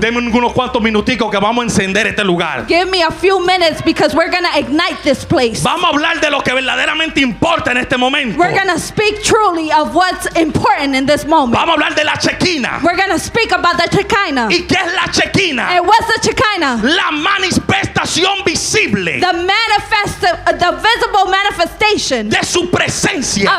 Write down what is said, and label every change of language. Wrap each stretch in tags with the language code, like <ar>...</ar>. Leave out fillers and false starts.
<es>Deme unos cuantos minuticos que vamos a encender este lugar.</es> <en>Give me a few minutes because we're gonna ignite this place.</en> <es>Vamos a hablar de lo que verdaderamente importa en este momento.</es> <en>We're gonna speak truly of what's important in this moment.</en> <es>Vamos a hablar de la Shekinah.</es> <en>We're gonna speak about the Shekinah.</en> <es>¿Y qué es la Shekinah?</es> <en>And what's the Shekinah?</en> <es>La manifestación visible.</es> <en>The manifest, the visible manifestation.</en> <es>De su presencia.</es>